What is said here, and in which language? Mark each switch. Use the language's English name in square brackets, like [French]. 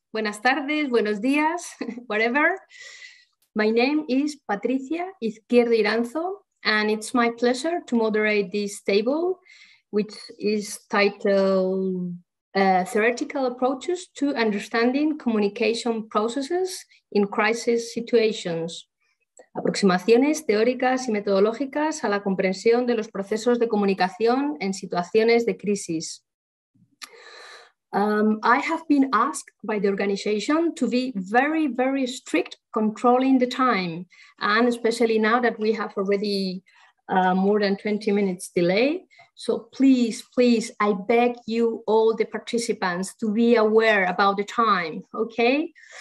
[Spanish] Buenas tardes, buenos días, [English] whatever. My name is Patricia Izquierdo Iranzo, and it's my pleasure to moderate this table, which is titled Theoretical Approaches to Understanding Communication Processes in Crisis Situations. [Spanish] Aproximaciones teóricas y metodológicas a la comprensión de los procesos de comunicación en situaciones de crisis. [English] I have been asked by the organization to be very, very strict controlling the time, and especially now that we have already more than 20 minutes delay. So please, please, I beg you, all the participants, to be aware about the time, okay?